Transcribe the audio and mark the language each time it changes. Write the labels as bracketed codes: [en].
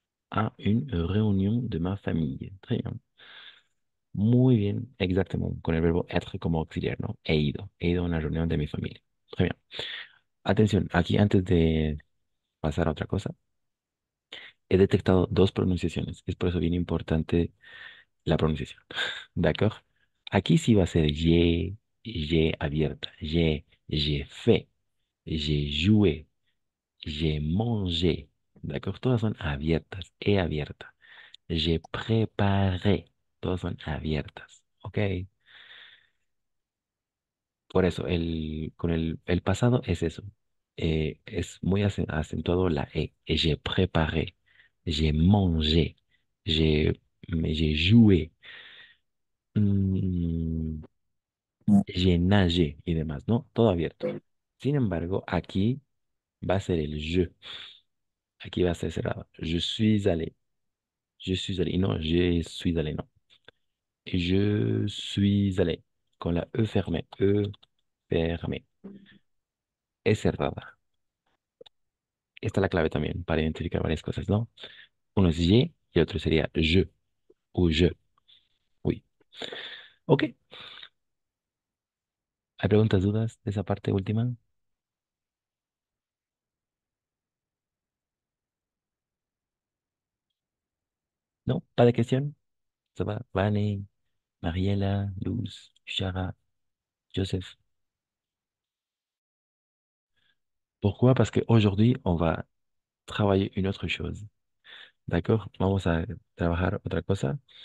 [fr] À une réunion de ma famille. Très bien. [es] Muy bien, exactement, con el verbo être como auxiliaire, ¿no? He ido a una reunión de mi familia. [fr] Très bien. [es] Atención, aquí antes de pasar a otra cosa, he detectado dos pronunciaciones. Es por eso bien importante la pronunciación. ¿D'accord? Aquí sí va a ser je abierta. [fr] J'ai fait. J'ai joué. J'ai mangé. [es] ¿D'accord? Todas son abiertas. He abierta. [fr] J'ai préparé. [es] Todas son abiertas, ¿ok? Por eso, el pasado es eso. Es muy acentuado la E. [fr] J'ai préparé, j'ai mangé, j'ai joué, j'ai nagé [es] y demás, ¿no? Todo abierto. Sin embargo, aquí va a ser el je. Aquí va a ser cerrado. [fr] Je suis allé. Je suis allé. No, je suis allé, no. Je suis allé con la E fermée. E fermée. [es] es cerrada. Esta es la clave también para identificar varias cosas, ¿no? Uno es ye y otro sería je o je. Ok. ¿Hay preguntas, dudas de esa parte última? ¿No? ¿Para de cuestión? ¿Se va? Vane, Mariela, Luz, Shara, Joseph. [fr] Pourquoi? Parce qu'aujourd'hui, on va travailler une autre chose. D'accord? [es] Vamos a trabajar otra cosa.